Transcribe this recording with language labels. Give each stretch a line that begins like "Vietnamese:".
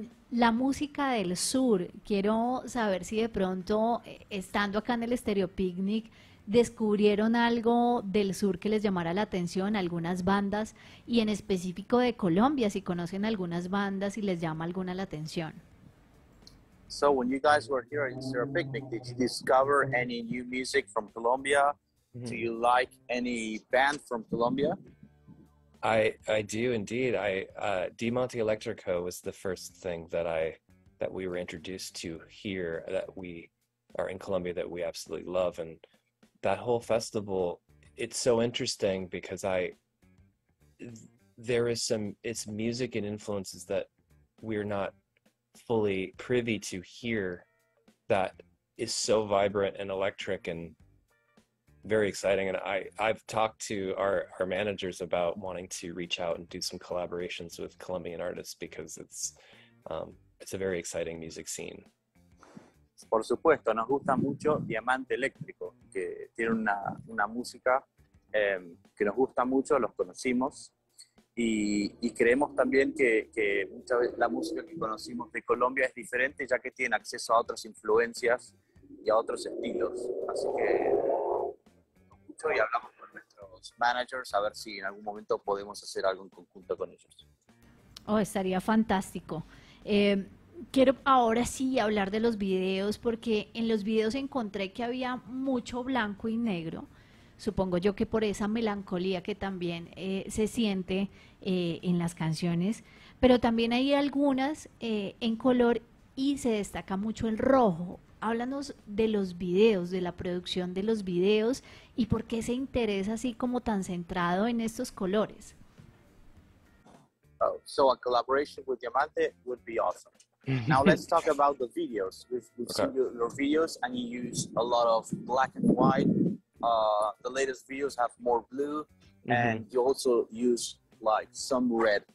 Spanish: La música del sur, quiero saber si de pronto, estando acá en el Estéreo Picnic, descubrieron algo del sur que les llamara la atención, algunas bandas, y en específico de Colombia, si conocen algunas bandas y les llama alguna la atención.
English: So when you guys were here at Estéreo Picnic, did you discover any new music from Colombia? Do you like any band from Colombia? I do indeed. D-Monte Electrico was the first thing that we were introduced to here that we are in Colombia that we absolutely love. And that whole festival, it's so interesting because it's music and influences that we're not fully privy to here that is so vibrant and electric and very exciting. And I've talked to our managers about wanting to reach out and do some collaborations with Colombian artists because it's a very exciting music scene.
Spanish: Por supuesto, nos gusta mucho Diamante Eléctrico, que tiene una música que nos gusta mucho, los conocimos. Y creemos también que muchas veces la música que conocimos de Colombia es diferente, ya que tiene acceso a otras influencias y a otros estilos. Así que mucho y hablamos con nuestros managers a ver si en algún momento podemos hacer algo en conjunto con ellos. Oh, estaría fantástico. Quiero ahora sí hablar de los videos, porque en los videos encontré que había mucho blanco y negro. Supongo yo que por esa melancolía que también se siente en las canciones, pero también hay algunas en color y se destaca mucho el rojo. Háblanos de los videos, de la producción de los videos y por qué se interesa así como tan centrado en estos colores.
English: Oh, so a collaboration with Diamante would be awesome. Now let's talk about the videos. We've seen your videos and you use a lot of black and white. The latest videos have more blue, and you also use like some red.